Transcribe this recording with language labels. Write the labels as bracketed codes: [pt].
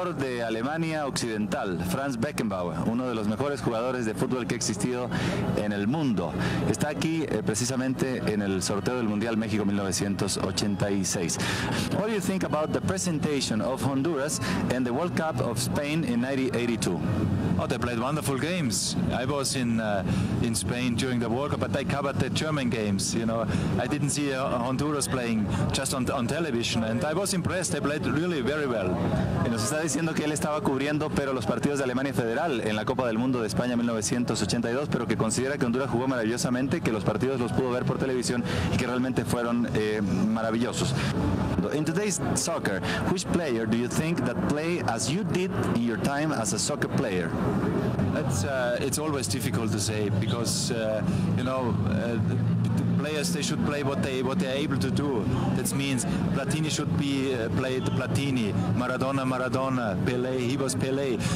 [es] De Alemania Occidental, Franz Beckenbauer, uno de los mejores jugadores de fútbol que ha existido en el mundo. Está aquí precisamente en el sorteo del Mundial México 1986. [en] What do you think about the presentation of Honduras and the World Cup of Spain in 1982? Oh, they played wonderful games. I was in Spain during the World Cup, but I covered the German games. You know, I didn't see Honduras playing just on television, and I was impressed. They played really very well. [es] Y nos está diciendo que él estaba cubriendo, pero los partidos de Alemania Federal en la Copa del Mundo de España 1982, pero que considera que Honduras jugó maravillosamente, que los partidos los pudo ver por televisión y que realmente fueron maravillosos. [en] In today's soccer, which player do you think that play as you did in your time as a soccer player? It's always difficult to say because the players, they should play what they are able to do. That means Platini should be played Platini, Maradona, Pelé, he was Pelé.